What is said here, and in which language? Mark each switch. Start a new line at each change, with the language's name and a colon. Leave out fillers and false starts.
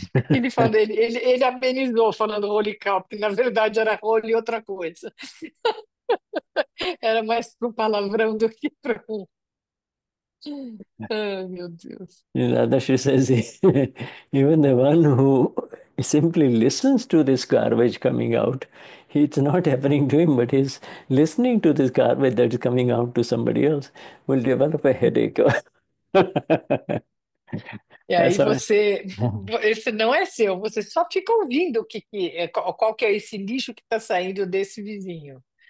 Portuguese: Ele amenizou falando
English: holy cow,
Portuguese: porque na verdade era holy outra coisa. Era mais para um palavrão do que para um. Ai, meu Deus.
English: Dadashri says, even the one who simply listens to this garbage coming out, it's not happening to him, but he's listening to this garbage that is coming out to somebody else, will develop a headache.
Portuguese: E aí esse não é seu, você só fica ouvindo qual que é esse lixo que está saindo desse vizinho.